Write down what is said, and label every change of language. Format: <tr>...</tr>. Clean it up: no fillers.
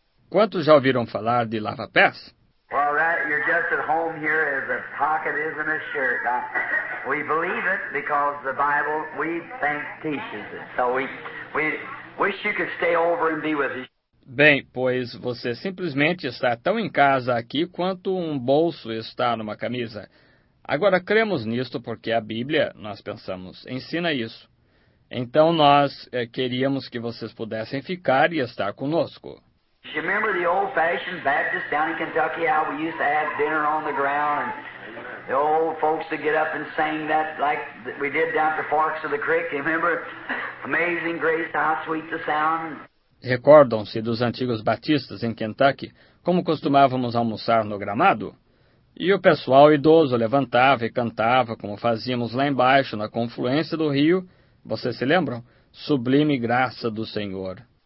<pt>Quantos já ouviram falar de lava-pés?</pt> <en>Well, that you're just at home here as a pocket is in a shirt. We believe it because the Bible, we think, teaches it. So we wish you could stay over and be with us.</en> <pt>Bem, pois você simplesmente está tão em casa aqui quanto um bolso está numa camisa. Agora, cremos nisto porque a Bíblia, nós pensamos, ensina isso. Então, nós queríamos que vocês pudessem ficar e estar conosco.</pt> <en>You remember the old-fashioned Baptist down in Kentucky, how we used to have dinner on the ground, and the old folks would get up and sing that like we did down at the Forks of the Creek. You remember? Amazing grace, how sweet the sound.</en> <pt>Recordam-se dos antigos batistas em Kentucky, como costumávamos almoçar no gramado? E o pessoal idoso levantava e cantava, como fazíamos lá embaixo, na confluência do rio. Vocês se lembram? Sublime graça do Senhor.</pt>